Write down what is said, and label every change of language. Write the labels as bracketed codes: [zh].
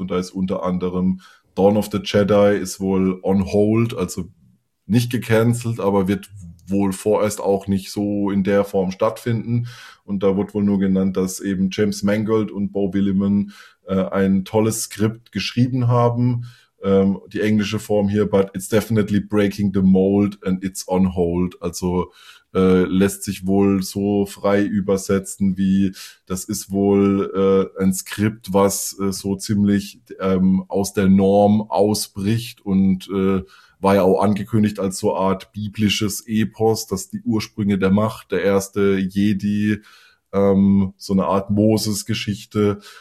[de] Und da ist unter anderem Dawn of the Jedi ist wohl on hold, also nicht gecancelt, aber wird wohl vorerst auch nicht so in der Form stattfinden. Und da wird wohl nur genannt, dass eben James Mangold und Bo Willimon ein tolles Skript geschrieben haben. Die englische Form hier, [en] but it's definitely breaking the mold and it's on hold. [de] Also lässt sich wohl so frei übersetzen, wie das ist wohl ein Skript, was so ziemlich aus der Norm ausbricht und war ja auch angekündigt als so eine Art biblisches Epos, dass die Ursprünge der Macht, der erste Jedi, so eine Art Moses-Geschichte